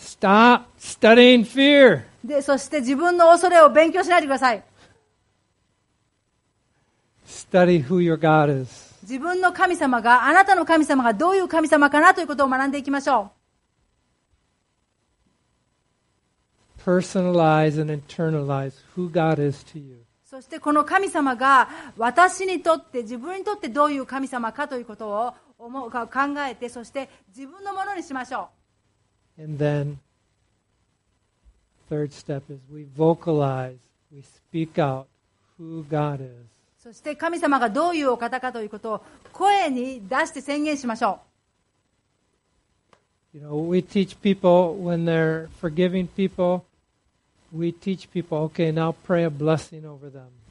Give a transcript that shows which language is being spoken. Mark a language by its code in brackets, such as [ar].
[en] Stop studying fear. [ja] で、そして自分の恐れを勉強しないでください。 [en] Study who your God is. [ja] 自分の神様が、あなたの神様がどういう神様かなということを学んでいきましょう。 [en] Personalize and internalize who God is to you. [ja] そしてこの神様が私にとって、自分にとってどういう神様かということを思うか考えて、そして自分のものにしましょう。 [en] And then, third step is we vocalize, we speak out who God is. [ja] そして神様がどういうお方かということを声に出して宣言しましょう。 [en] You know, we teach people when they're forgiving people, we teach people, okay, now pray a blessing over them.